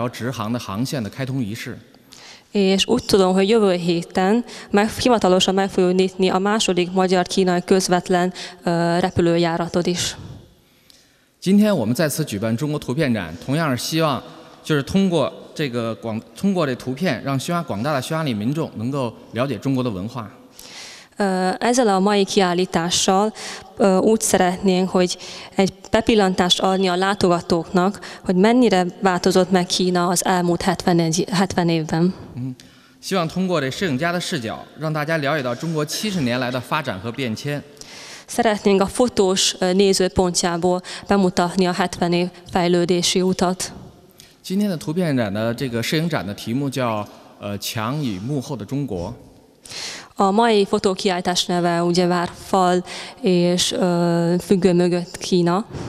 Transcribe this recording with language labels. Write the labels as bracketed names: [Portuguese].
[Chinese] 据我所知，在下周我们还将举办那个中匈的第二条直航的航线的开通仪式。 [Hungarian] És úgy tudom, hogy jövő héten hivatalosan meg fogjuk nyitni a második magyar-kínai közvetlen repülőjáratot is. [Chinese] 今天我们再次举办中国图片展，同样是希望，就是通过这个通过这图片，让匈牙广大的匈牙利民众能够了解中国的文化。 [Hungarian] Ezzel a mai kiállítással úgy szeretnénk, hogy egy bepillantást adni a látogatóknak, hogy mennyire változott meg Kína az elmúlt 70 évben. [Chinese] 希望通过这摄影家的视角，让大家了解到中国70年来的发展和变迁。 [Hungarian] Szeretnénk a fotós nézőpontjából bemutatni a 70 év fejlődési utat. [Chinese] 今天的图片展的这个摄影展的题目叫墙与幕后的中国。 [Hungarian] A mai fotókiállítás neve ugye vár fal és függő mögött Kína.